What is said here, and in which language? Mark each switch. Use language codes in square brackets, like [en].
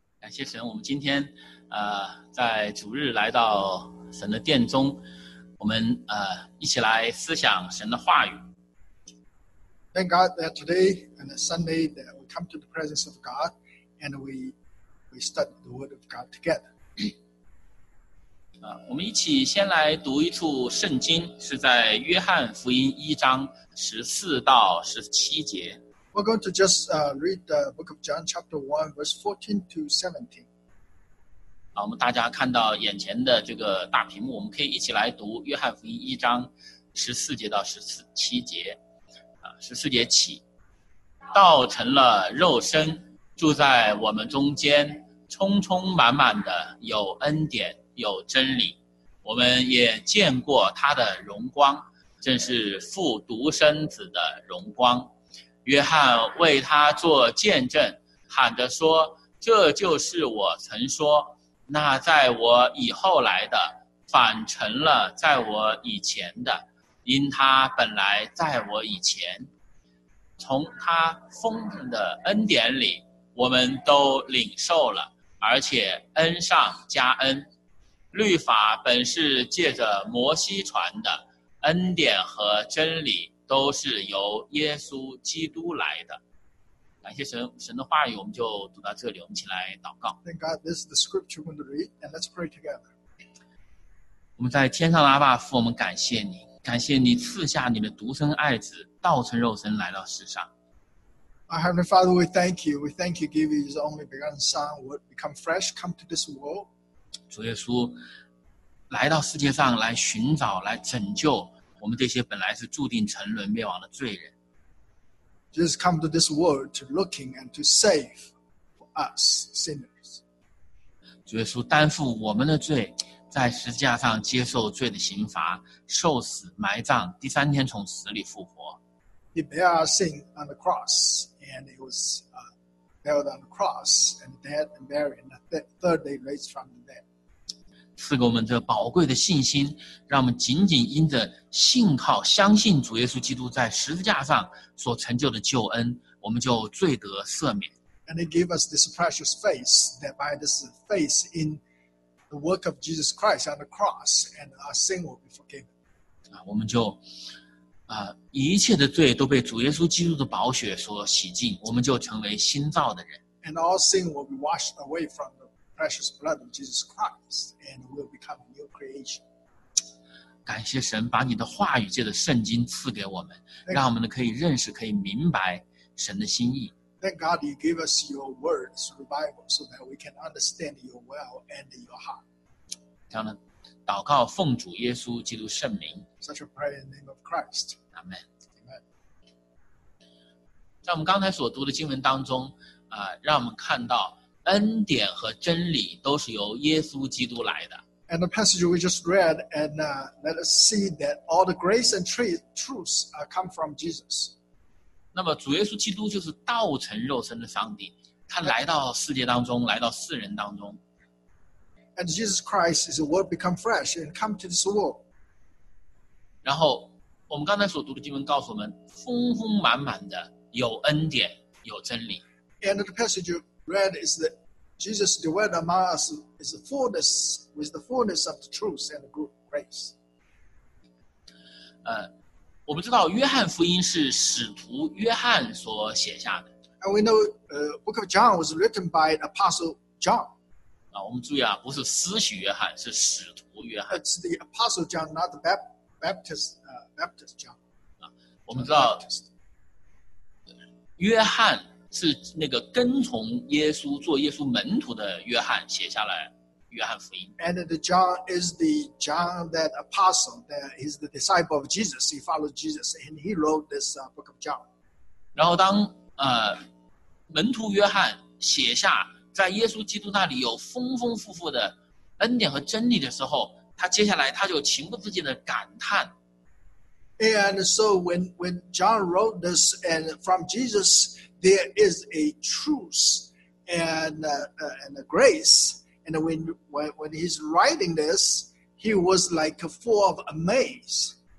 [zh] 谢神，我们今天在主日来到神的殿中，我们一起来思想神的话语。 [en] Thank God that today and Sunday that we come to the presence of God and we study the word of God together. [zh] 我们一起先来读一处圣经，是在约翰福音一章十四到十七节。 [en] We're going to just read the book of John chapter 1 verse 14 to 17. [zh] 好，我们大家看到眼前的这个大屏幕，我们可以一起来读约翰福音一章十四节到十七节。十四节起，道成了肉身，住在我们中间，充充满满的有恩典，有真理。我们也见过他的荣光，正是父独生子的荣光。约翰为他做见证，喊着说：这就是我曾说，那在我以后来的，反成了在我以前的，因他本来在我以前。从他丰盛的恩典里，我们都领受了，而且恩上加恩。律法本是借着摩西传的，恩典和真理都是由耶稣基督来的。感谢神，神的话语我们就读到这里，我们一起来祷告。 [en] Thank God, this is the scripture we're going to read, and let's pray together. [zh] 我们在天上的阿爸父，我们感谢你，感谢你赐下你的独生爱子，道成肉身来到世上。 [en] Our Heavenly Father, we thank you. We thank you, give you His only begotten Son, would become flesh, come to this world. [zh] 主耶稣来到世界上来寻找，来拯救我们这些本来是注定沉沦灭亡的罪人。 [en] Jesus come to this world to looking and to save for us sinners. [zh] 主耶稣担负我们的罪，在十字架上接受罪的刑罚，受死埋葬，第三天从死里复活。 [en] He bear our sin on the cross, and he was nailed on the cross, and dead and buried, and the third day raised from the dead. [zh] 赐给我们这宝贵的信心，让我们紧紧因着信靠、相信主耶稣基督在十字架上所成就的救恩，我们就罪得赦免。 [en] And he gave us this precious faith, that by this faith in the work of Jesus Christ on the cross, and our sin will be forgiven. [zh] 我们就一切的罪都被主耶稣基督的宝血所洗净，我们就成为新造的人。 [en] And all sin will be washed away from the precious blood of Jesus Christ, and will become a new creation. [zh] 感谢神把你的话语借着圣经赐给我们，让我们可以认识、可以明白神的心意。 [en] Thank God you give us your words through the Bible so that we can understand your will and your heart. [zh] 这样的祷告奉主耶稣基督圣名。 [en] Such a prayer in the name of Christ. Amen. [zh] 在我们刚才所读的经文当中，让我们看到恩典和真理都是由耶稣基督来的。 [en] And the passage we just read, and let us see that all the grace and truths come from Jesus. [zh] 那么主耶稣基督就是道成肉身的上帝，他来到世界当中，来到世人当中。 [en] And Jesus Christ is the Word become flesh and come to this world. [zh] 然后我们刚才所读的经文告诉我们，丰丰满满的有恩典，有真理。 [en] And the passage you read is that Jesus dwelt among us is the fullness with the fullness of the truth and the grace. [zh] 我们知道约翰福音是使徒约翰所写下的。 [en] And we know Book of John was written by Apostle John. [zh] 我们注意啊，不是施洗约翰，是使徒约翰。 [en] It's the Apostle John, not the Baptist John. [zh] 我们知道约翰是那个跟从耶稣做耶稣门徒的约翰写下来约翰福音。 [en] And the John is the John that apostle, that is the disciple of Jesus. He followed Jesus, and he wrote this book of John. [zh] 然后当门徒约翰写下在耶稣基督那里有丰丰富富的恩典和真理的时候，他接下来他就情不自禁的感叹。 [en] And so when John wrote this, and from Jesus there is a truth and a grace. And when he's writing this, he was like full of amaze.